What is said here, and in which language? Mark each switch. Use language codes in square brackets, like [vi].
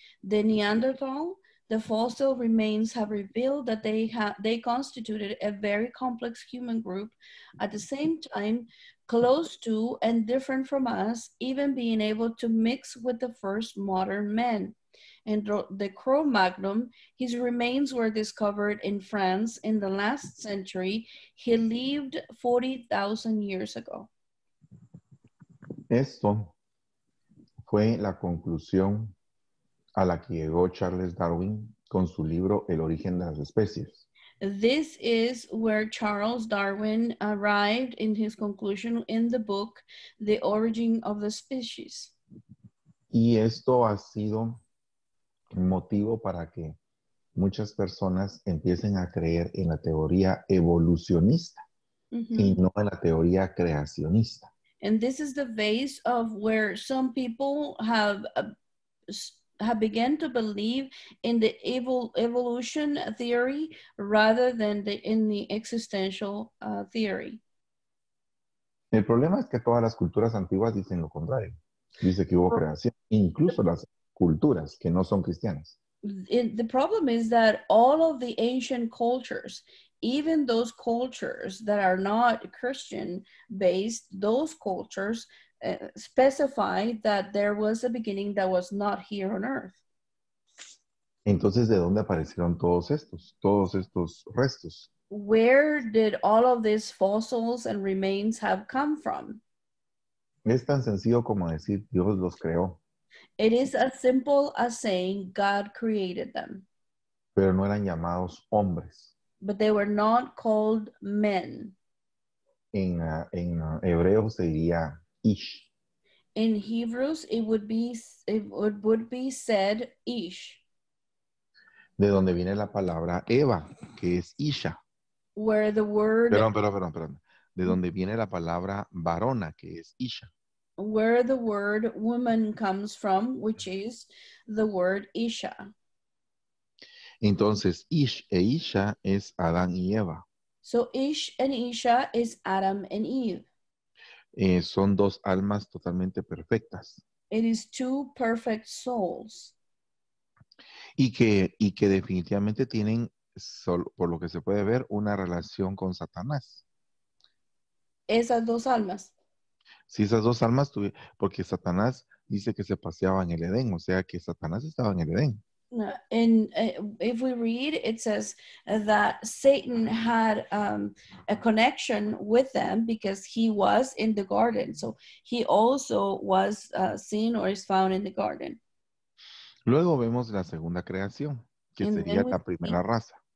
[en] The Neanderthal, the fossil remains have revealed that they constituted a very complex human group, at the same time close to and different from us, even being able to mix with the first modern men. And the Cro-Magnon, his remains were discovered in France in the last century. He lived 40,000 years ago. [es] Esto fue la conclusión a la que llegó Charles Darwin con su libro El origen de las especies. [en] This is where Charles Darwin arrived in his conclusion in the book The Origin of the Species. [es] Y esto ha sido motivo para que muchas personas empiecen a creer en la teoría evolucionista y no en la teoría creacionista. [en] And this is the base of where some people have begun to believe in the evolution theory rather than in the existential theory. [es] El problema es que todas las culturas antiguas dicen lo contrario. Dice que hubo creación, incluso las culturas que no son cristianas. [en] The problem is that all of the ancient cultures, even those cultures that are not Christian based, those cultures specify that there was a beginning that was not here on earth. [es] Entonces, ¿de dónde aparecieron todos estos restos? [en] Where did all of these fossils and remains have come from? [es] Es tan sencillo como decir Dios los creó. [en] It is as simple as saying God created them. [es] Pero no eran llamados hombres. [en] But they were not called men. [es] En hebreo se diría ish. [en] In Hebrews it would be said ish. [es] De donde viene la palabra Eva, que es Isha. [en] Where the word... [es] Perdón. De donde viene la palabra varona, que es Isha. [en] Where the word woman comes from, which is the word Isha. [es] Entonces, Ish e Isha es Adán y Eva. [en] So, Ish and Isha is Adam and Eve. [es] Son dos almas totalmente perfectas. [en] It is two perfect souls. [es] Y que definitivamente tienen, por lo que se puede ver, una relación con Satanás. Esas dos almas. Si esas dos almas tuvieron, porque Satanás dice que se paseaba en el Edén, o sea que Satanás estaba en el Edén. [en] And if we read, it says that Satan had a connection with them because he was in the garden. So he also was seen or is found in the garden. [es] Luego vemos la segunda creación, que sería la primera raza.